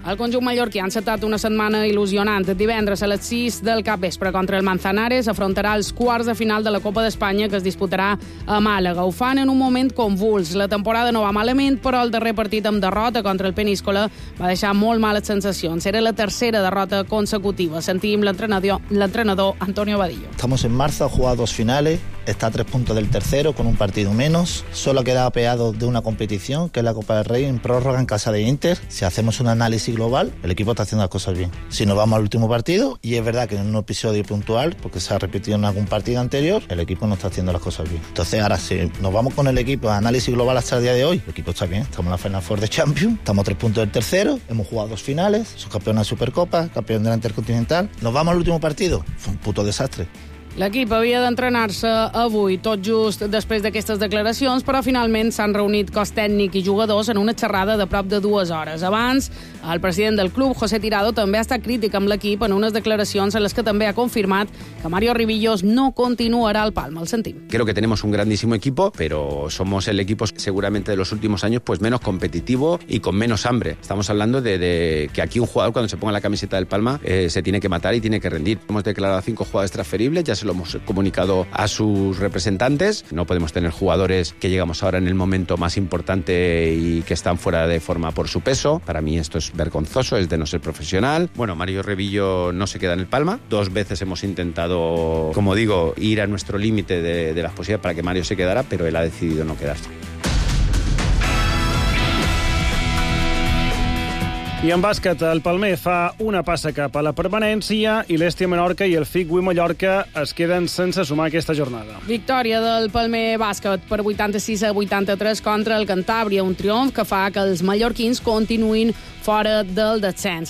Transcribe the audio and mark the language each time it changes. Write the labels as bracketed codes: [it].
[ca] El conjunt mallorquí ha encetat una setmana il·lusionant. Divendres a les 6 del capvespre contra el Manzanares afrontarà els quarts de final de la Copa d'Espanya que es disputarà a Màlaga. Ho fan en un moment convuls. La temporada no va malament, però el darrer partit amb derrota contra el Peníscola va deixar molt males sensacions. Era la tercera derrota consecutiva. Sentim l'entrenador Antonio Vadillo. [es] Estamos en marzo, ha jugado dos finales, está a 3 puntos del tercero con un partido menos, solo queda apeado de una competición, que es la Copa del Rey, en prórroga en casa de Inter. Si hacemos un análisis global, el equipo está haciendo las cosas bien. Si nos vamos al último partido, y es verdad que en un episodio puntual, porque se ha repetido en algún partido anterior, el equipo no está haciendo las cosas bien. Entonces ahora, si nos vamos con el equipo a análisis global hasta el día de hoy, el equipo está bien. Estamos en la Final Four de Champions, estamos a 3 puntos del tercero, hemos jugado 2 finales, somos campeón de la Supercopa, campeón de la Intercontinental. Nos vamos al último partido, fue un puto desastre. [ca] L'equip havia d'entrenar-se avui, tot just després d'aquestes declaracions, però finalment s'han reunit cos tècnic i jugadors en una xerrada de prop de 2 hores. Abans, el president del club, José Tirado, també ha estat crític amb l'equip en unes declaracions en les que també ha confirmat que Mario Rivillos no continuarà al Palma. El sentim. [es] Creo que tenemos un grandísimo equipo, pero somos el equipo seguramente de los últimos años pues menos competitivo y con menos hambre. Estamos hablando de que aquí un jugador, cuando se ponga la camiseta del Palma, se tiene que matar y tiene que rendir. Hemos declarado 5 jugadores transferibles, ya se lo hemos comunicado a sus representantes. No podemos tener jugadores que llegamos ahora en el momento más importante y que están fuera de forma por su peso. Para mí esto es vergonzoso, es de no ser profesional. Bueno, Mario Rivillo no se queda en el Palma. 2 veces hemos intentado, como digo, ir a nuestro límite de las posibilidades para que Mario se quedara, pero él ha decidido no quedarse. [ca] I en bàsquet, el Palmer fa una passa cap a la permanència i l'Estia Menorca i el Figui Mallorca es queden sense sumar aquesta jornada. Victòria del Palmer bàsquet per 86-83 contra el Cantàbria, un triomf que fa que els mallorquins continuïn fora del descens.